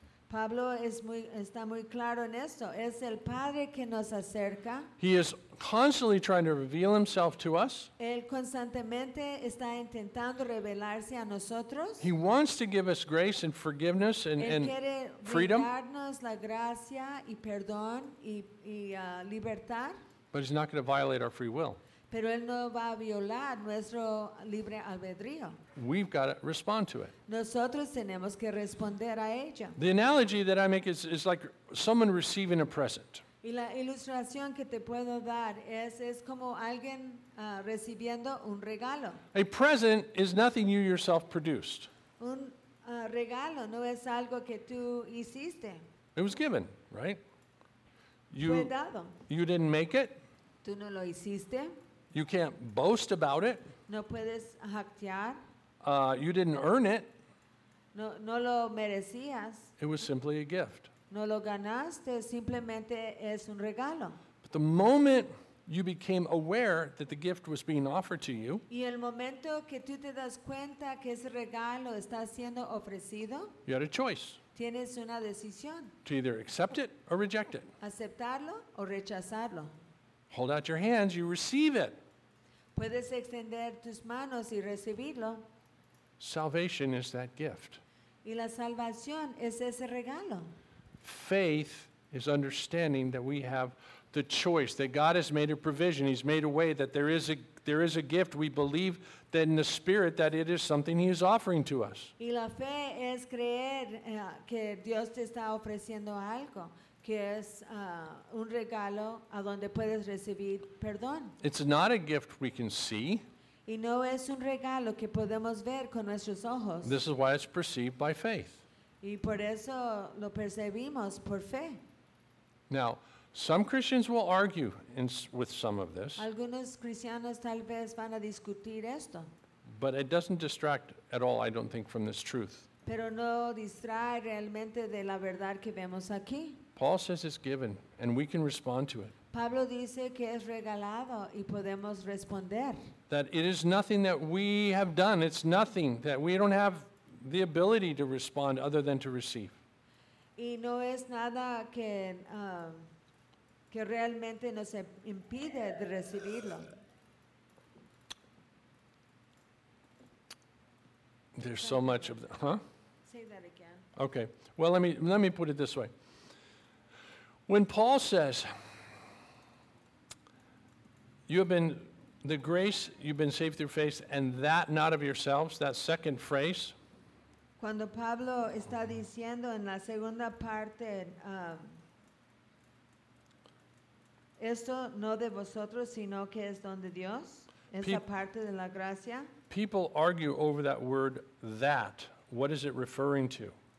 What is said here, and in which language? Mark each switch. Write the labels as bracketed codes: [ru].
[es] Pablo está muy claro en esto. Es el Padre que nos acerca. [en] He is constantly trying to reveal himself to us. [es] Él constantemente está intentando revelarse a nosotros. [en] He wants to give us grace and forgiveness and freedom. [es] Él quiere darnos la gracia y perdón y libertad. [en] But he's not going to violate our free will. [es] Pero él no va a violar nuestro libre albedrío. [en] We've got to respond to it. [es] Nosotros tenemos que responder a ella. [en] The analogy that I make is like someone receiving a present. [es] Y la ilustración que te puedo dar es como alguien recibiendo un regalo. [en] A present is nothing you yourself produced. [es] Un regalo no es algo que tú hiciste. [en] It was given, right? [es] Fue dado. [en] You didn't make it. [es] Tú no lo hiciste. [en] You can't boast about it. [es] No puedes jactar. [en] You didn't earn it. [es] No lo merecías. [en] It was simply a gift. [es] No lo ganaste, simplemente es un regalo. [en] But the moment you became aware that the gift was being offered to you, [es] y el momento que tú te das cuenta que ese regalo está siendo ofrecido, [en] you had a choice. [es] Tienes una decisión. [en] To either accept it or reject it. [es] Aceptarlo o rechazarlo. [en] Hold out your hands, you receive it. [es] Puedes extender tus manos y recibirlo. [en] Salvation is that gift. [es] Y la salvación es ese regalo. [en] Faith is understanding that we have the choice, that God has made a provision, He's made a way, that there is a gift. We believe that in the Spirit that it is something He is offering to us. [es] Y la fe es creer que Dios te está ofreciendo algo. Que es un regalo a donde puedes recibir perdón. [en] It's not a gift we can see. [es] Y no es un regalo que podemos ver con nuestros ojos. [en] This is why it's perceived by faith. [es] Y por eso lo percibimos por fe. [en] Now, some Christians will argue with some of this. [es] Algunos cristianos tal vez van a discutir esto. [en] But it doesn't distract at all, I don't think, from this truth. [es] Pero no distrae realmente de la verdad que vemos aquí. [en] Paul says it's given, and we can respond to it. [es] Pablo dice que es regalado y podemos responder. [en] That it is nothing that we have done. It's nothing that we don't have the ability to respond other than to receive. [es] Y no es nada que realmente nos impide de recibirlo. [en] There's so much of that, huh? Say that again. Okay. Well, let me put it this way. When Paul says, you've been saved through faith, and that not of yourselves, that second phrase. [es] Cuando Pablo está diciendo en la segunda parte, esto no de vosotros, sino que es don de Dios, esa parte de la gracia. [en] People argue over that word, that. What is it referring to?